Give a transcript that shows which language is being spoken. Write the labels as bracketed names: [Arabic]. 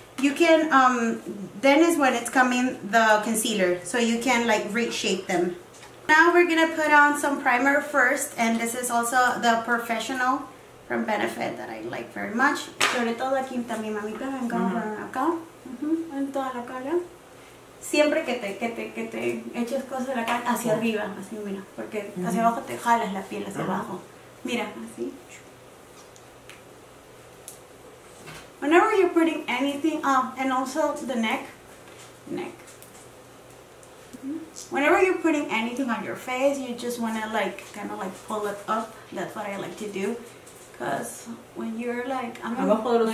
[English] You can then is when it's coming the concealer, so you can like reshape them. Now we're gonna put on some primer first, and this is also the Professional from Benefit that I like very much. [Spanish] Sobre todo aquí también, mamita, vengo acá en toda la cara. Siempre que te eches cosas de la cara hacia arriba, así mira, porque hacia abajo te jalas la piel hacia abajo. Mira, así. [English] Whenever you're putting anything, and also the neck. Whenever you're putting anything on your face, you just wanna like kind of like pull it up. That's what I like to do. Cause when you're like, I'm on my